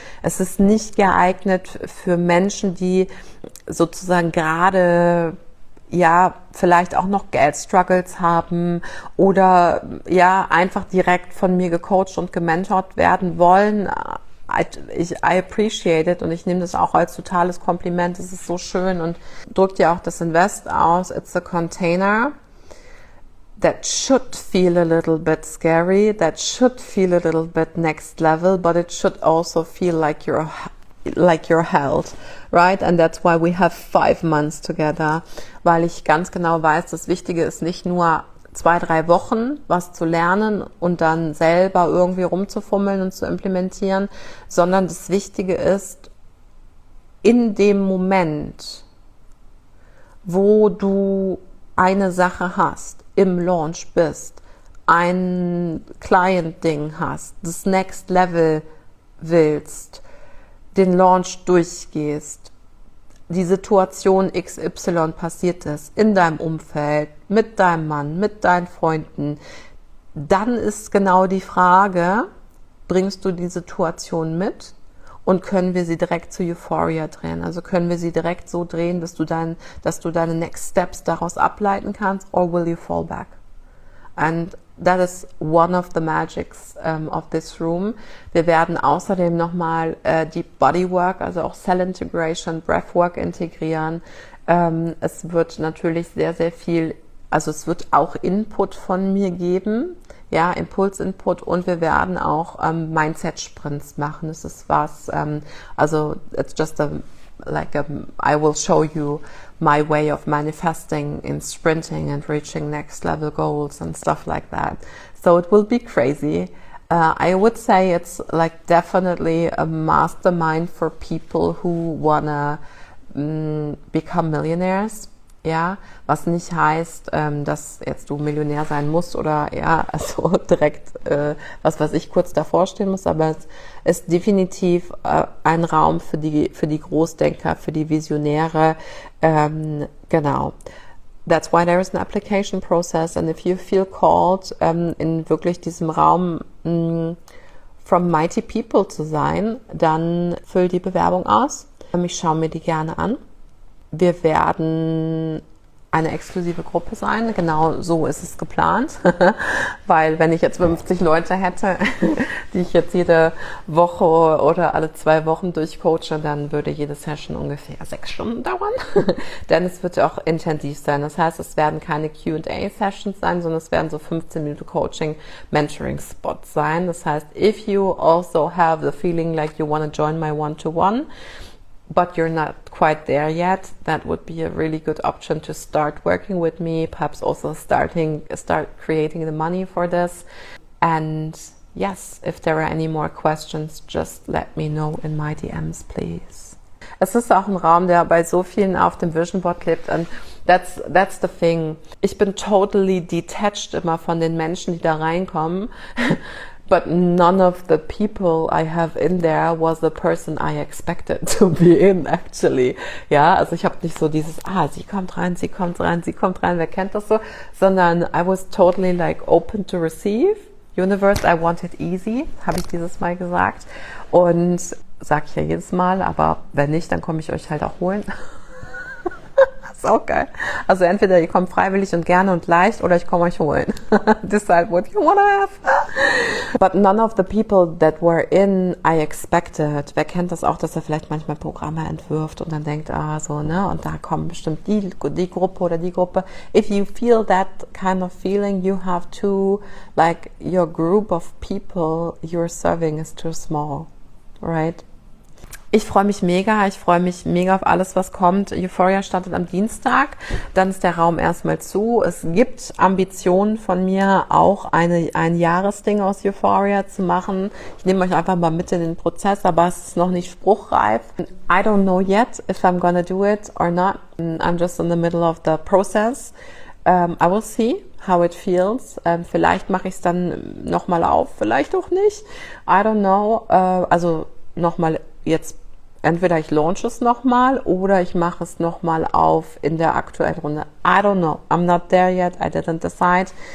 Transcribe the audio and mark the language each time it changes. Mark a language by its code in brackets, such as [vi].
[de] Es ist nicht geeignet für Menschen, die sozusagen gerade, ja, vielleicht auch noch Geldstruggles haben oder ja, einfach direkt von mir gecoacht und gementort werden wollen. [en] I appreciate it [de] und ich nehme das auch als totales Kompliment. Es ist so schön und drückt ja auch das Invest aus. [en] It's a container that should feel a little bit scary, that should feel a little bit next level, but it should also feel like you're held, right? And that's why we have 5 months together, [de] weil ich ganz genau weiß, das Wichtige ist nicht nur 2-3 Wochen was zu lernen und dann selber irgendwie rumzufummeln und zu implementieren, sondern das Wichtige ist, in dem Moment, wo du eine Sache hast, im Launch bist, ein Client-Ding hast, das Next Level willst, den Launch durchgehst, die Situation XY passiert ist, in deinem Umfeld, mit deinem Mann, mit deinen Freunden, dann ist genau die Frage, bringst du die Situation mit und können wir sie direkt zu Euphoria drehen? Also können wir sie direkt so drehen, dass du deine Next Steps daraus ableiten kannst, [en] or will you fall back? And that is one of the magics of this room. [de] Wir werden außerdem nochmal Deep Bodywork, also auch Cell Integration, Breathwork integrieren. Es wird natürlich sehr, sehr viel Also es wird auch Input von mir geben, ja, Impuls-Input, und wir werden auch Mindset-Sprints machen. Das ist was, also [en] it's just a, like a, I will show you my way of manifesting in sprinting and reaching next level goals and stuff like that. So it will be crazy. I would say it's like definitely a mastermind for people who wanna become millionaires. [de] Ja, was nicht heißt, dass jetzt du Millionär sein musst oder ja, also direkt was, was ich kurz davor stehen muss, aber es ist definitiv ein Raum für die Großdenker, für die Visionäre. [en] Genau. That's why there is an application process, and if you feel called, [de] in wirklich diesem Raum [en] from mighty people [de] zu sein, dann füll die Bewerbung aus. Ich schaue mir die gerne an. Wir werden eine exklusive Gruppe sein. Genau so ist es geplant. Weil wenn ich jetzt 50 Leute hätte, die ich jetzt jede Woche oder alle zwei Wochen durchcoache, dann würde jede Session ungefähr 6 Stunden dauern. Denn es wird ja auch intensiv sein. Das heißt, es werden keine Q&A-Sessions sein, sondern es werden so 15-Minute-Coaching-Mentoring-Spots sein. Das heißt, [en] if you also have the feeling like you want to join my one-to-one, but you're not quite there yet, that would be a really good option to start working with me, perhaps also start creating the money for this. And yes, if there are any more questions, just let me know in my DMs, please. [de] Es ist auch ein Raum, der bei so vielen auf dem Vision Board lebt, [en] and that's the thing. [de] Ich bin [en] totally detached [de] immer von den Menschen, die da reinkommen. [en] But none of the people I have in there was the person I expected to be in, actually. [de] Ja, also ich habe nicht so dieses, ah, sie kommt rein, wer kennt das so? Sondern [en] I was totally like open to receive. Universe, I want it easy, [de] habe ich dieses Mal gesagt. Und sage ich ja jedes Mal, aber wenn nicht, dann komme ich euch halt auch holen. Ist auch geil. Also entweder ihr kommt freiwillig und gerne und leicht, oder ich komme euch holen. [en] Decide what you wanna have. But none of the people that were in, I expected. [de] Wer kennt das auch, dass er vielleicht manchmal Programme entwirft und dann denkt, ah, so, ne, und da kommen bestimmt die Gruppe oder die Gruppe. [en] If you feel that kind of feeling, you have to, like, your group of people you're serving is too small, right? [de] Ich freue mich mega. Ich freue mich mega auf alles, was kommt. Euphoria startet am Dienstag. Dann ist der Raum erstmal zu. Es gibt Ambitionen von mir, auch ein Jahresding aus Euphoria zu machen. Ich nehme euch einfach mal mit in den Prozess, aber es ist noch nicht spruchreif. [en] I don't know yet if I'm gonna do it or not. I'm just in the middle of the process. I will see how it feels. [de] Vielleicht mache ich es dann nochmal auf. Vielleicht auch nicht. [en] I don't know. [de] Also nochmal. Jetzt entweder ich launch es nochmal oder ich mache es nochmal auf in der aktuellen Runde. [en] I don't know. I'm not there yet. I didn't decide.